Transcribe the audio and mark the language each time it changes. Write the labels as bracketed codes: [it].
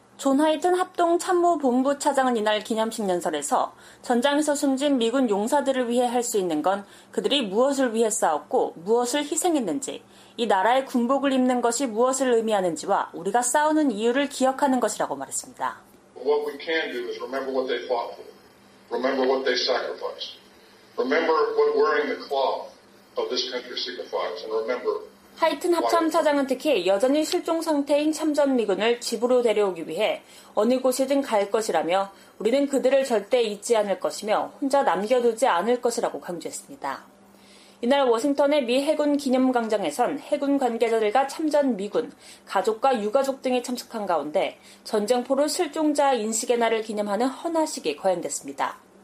[ko] 존 하이튼 합동참모본부 차장은 이날 기념식 연설에서 전장에서 숨진 미군 용사들을 위해 할 수 있는 건 그들이 무엇을 위해 싸웠고 무엇을 희생했는지, 이 나라의 군복을 입는 것이 무엇을 의미하는지와 우리가 싸우는 이유를 기억하는 것이라고 말했습니다. [en] What we can do is remember what they fought for, remember what they sacrificed, remember what wearing the cloth of this country signifies, and remember. [ko] 하이튼 합참 차장은 특히 여전히 실종 상태인 참전 미군을 집으로 데려오기 위해 어느 곳이든 갈 것이라며 우리는 그들을 절대 잊지 않을 것이며 혼자 남겨두지 않을 것이라고 강조했습니다. 이날 워싱턴의 미 해군 기념광장에선 해군 관계자들과 참전 미군, 가족과 유가족 등이 참석한 가운데 전쟁포로 실종자 인식의 날을 기념하는 헌화식이 거행됐습니다.